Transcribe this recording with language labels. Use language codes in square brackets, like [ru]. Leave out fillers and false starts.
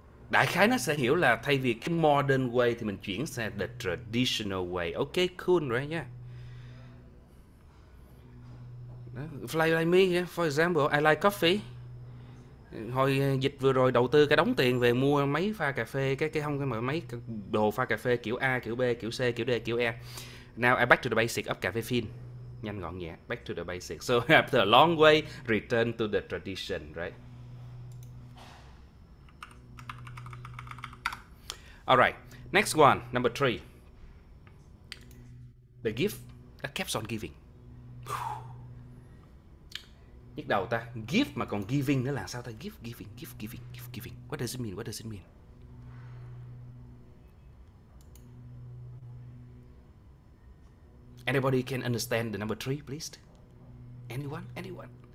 [vi] Đại khái nó sẽ hiểu là thay vì cái modern way thì mình chuyển sang [en] the traditional way. Okay, cool, right? Yeah. Fly like me, for example, I like coffee. [vi] Hồi dịch vừa rồi đầu tư cái đống tiền về mua máy pha cà phê, cái không cái mở máy đồ pha cà phê kiểu A, kiểu B, kiểu C, kiểu D, kiểu E. [en] Now I back to the basic of cafe fin. [vi] Nhanh gọn nhẹ, [en] back to the basic. So after a long way, return to the tradition, right? Alright, next one, number three. The gift that keeps on giving. [vi] Nhức đầu ta, give mà còn giving nữa là sao ta? [en] Give, giving, give, giving, give, giving. What does it mean? What does it mean? Anybody can understand the number three, please? Anyone? Anyone?